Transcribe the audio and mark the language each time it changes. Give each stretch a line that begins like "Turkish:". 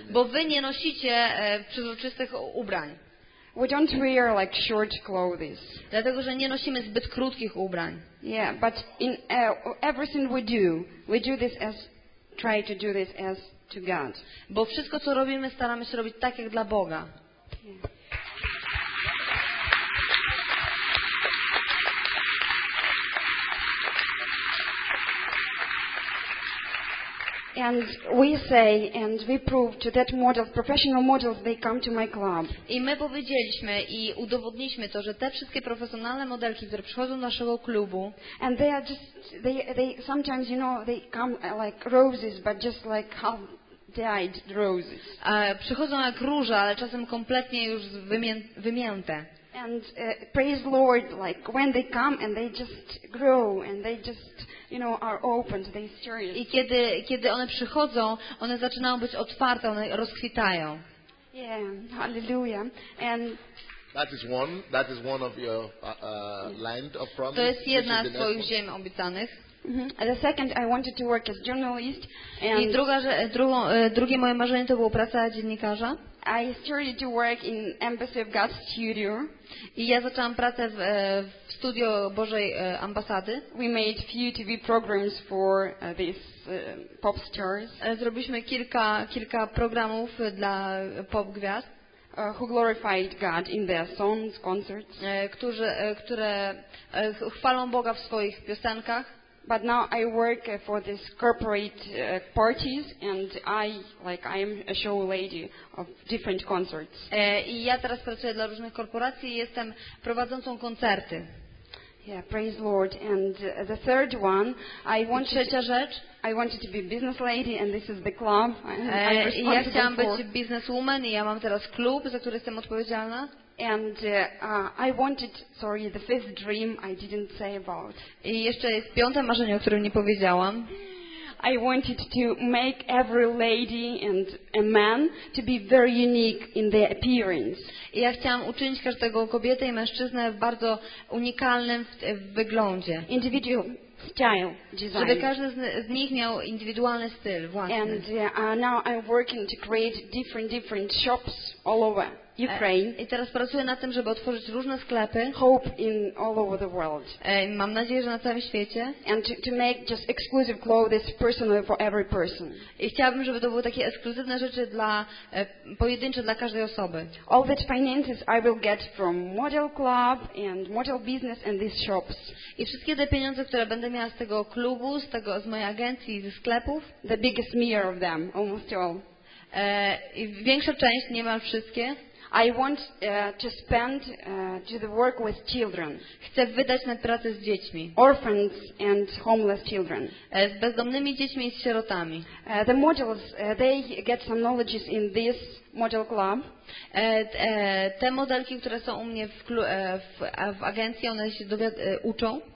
Polish: Bo wy nie nosicie przezroczystych ubrań.
English: We don't wear like short clothes.
Polish: Dlatego, że nie nosimy zbyt krótkich ubrań.
English: Yeah, but in everything we do this as try to do this as to God.
Polish: Bo wszystko co robimy, staramy się robić tak jak dla Boga.
English: And we say and we prove to that model, professional models, they come to my club.
Polish: I my powiedzieliśmy i udowodniliśmy to, że te wszystkie profesjonalne modelki, które przychodzą do naszego klubu,
English: and they are just they sometimes, you know, they come like roses, but just like half dyed roses.
Polish: Przychodzą jak róża, ale czasem kompletnie już wymięte.
English: And praise the Lord, like when they come and they just grow and they just, you know, are open, they serious.
Polish: I kiedy one przychodzą, one zaczynają być otwarte, one rozkwitają.
English: Yeah, hallelujah. And that is one of your land of promise.
Polish: To jest jedna z twoich ziem obiecanych. Mm-hmm.
English: The second, I wanted to work as journalist.
Polish: I drugie moje marzenie to było praca dziennikarza.
English: I started to work in Embassy of God studio.
Polish: I ja zaczęłam pracę w studio Bożej ambasady.
English: We made few TV programs for these pop stars.
Polish: Zrobiliśmy kilka programów dla pop gwiazd.
English: Who glorified God in their songs, concerts.
Polish: Które chwalą Boga w swoich piosenkach.
English: But now I work for this corporate parties and I like I am a show lady of different concerts.
Polish: I ja teraz pracuję dla różnych korporacji i jestem prowadzącą koncerty.
English: Yeah, praise Lord. And the third one, I want
Polish: trzecia rzecz.
English: I wanted to be business lady and this is the club.
Polish: I ja chciałam być businesswoman i ja mam teraz klub, za który jestem odpowiedzialna.
English: And I wanted, sorry, the fifth dream I didn't say about.
Polish: I jeszcze jest piąte marzenie, o którym nie powiedziałam.
English: I wanted to make every lady and a man to be very unique in their appearance.
Polish: I ja chciałam uczynić każdego kobietę i mężczyznę bardzo unikalnym w wyglądzie.
English: Individual style design.
Polish: Żeby każdy z nich miał indywidualny styl własny.
English: And now I'm working to create different shops all over. Ukraine.
Polish: I teraz pracuję nad tym, żeby otworzyć różne sklepy.
English: Hope in all over the world.
Polish: Mam nadzieję, że na całym świecie.
English: And to make just exclusive clothes personally for every person.
Polish: I chciałabym, żeby to były takie ekskluzywne rzeczy dla pojedyncze dla każdej osoby.
English: All the finances I will get from model club and model business and these shops.
Polish: I wszystkie te pieniądze, które będę miała z tego klubu, z tego z mojej agencji i ze sklepów.
English: The biggest mirror of them, almost all.
Polish: I większa część, niemal wszystkie.
English: I want to spend to the work with children.
Polish: Chcę wydać na pracę z dziećmi.
English: Orphans and homeless children.
Polish: Z bezdomnymi dziećmi i z sierotami.
English: The modules they get some knowledges in this model club.
Polish: Te modelki, które są u mnie w agencji, one się uczą.